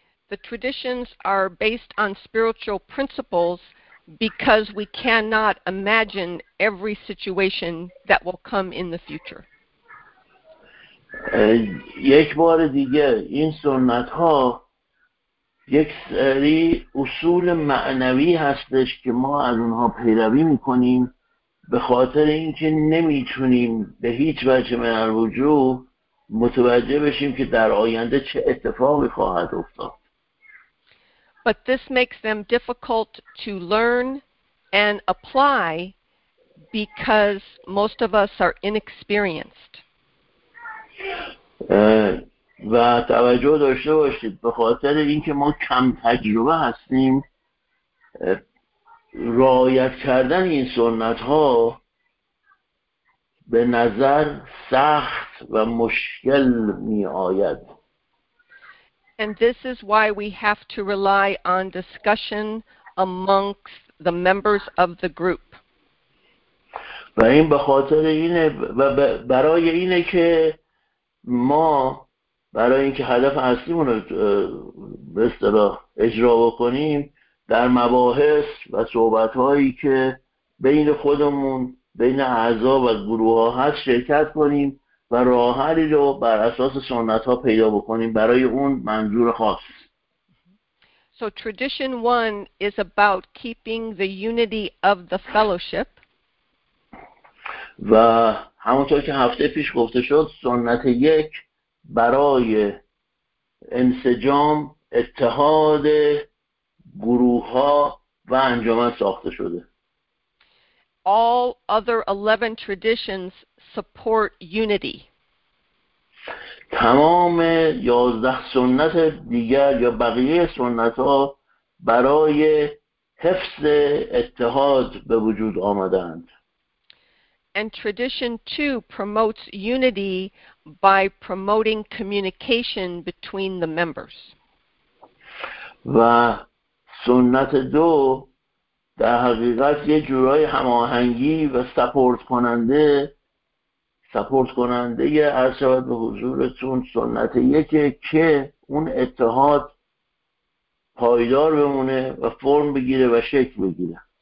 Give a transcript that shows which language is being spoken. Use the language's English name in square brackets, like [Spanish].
[English] The traditions are based on spiritual principles because we cannot imagine every situation that will come in the future. [Persian] یک بار دیگه این سنت ها یک سری اصول معنوی هستش که ما از اونها پیروی میکنیم به خاطر اینکه نمیتونیم به هیچ وجه من الوجود متوجه بشیم که در آینده چه اتفاقی خواهد افتاد. [English] But this makes them difficult to learn and apply because most of us are inexperienced. [Persian] و توجه داشته باشید به خاطر اینکه ما کم تجربه هستیم رعایت کردن این سنت ها به نظر سخت و مشکل می آید. [English] And this is why we have to rely on discussion amongst the members of the group. [Persian] و این به خاطر اینه و برای اینه که ما برای اینکه هدف اصلیمون رو به اصطلاح اجرا بکنیم در مباحث و صحبت‌هایی که بین خودمون بین اعضا و گروه‌ها هست شرکت کنیم و راه حلی رو بر اساس سنت‌ها پیدا بکنیم برای اون منظور خاص. [English] So tradition one is about keeping the unity of the fellowship. [Persian] و همونطور که هفته پیش گفته شد سنت یک برای انسجام اتحاد گروه ها و انجمن ساخته شده. [English] All other 11 traditions support unity. [Persian] تمام 11 سنت دیگر یا بقیه سنت ها برای حفظ اتحاد به وجود آمدند. [English] And tradition 2 promotes unity by promoting communication between the members. [Persian] و سنت دو در حقیقت یه جورای هماهنگی و سپورت کننده یه عرصه به حضورتون سنت یکه که اون اتحاد پایدار بمونه و فرم بگیره و شکل بگیره.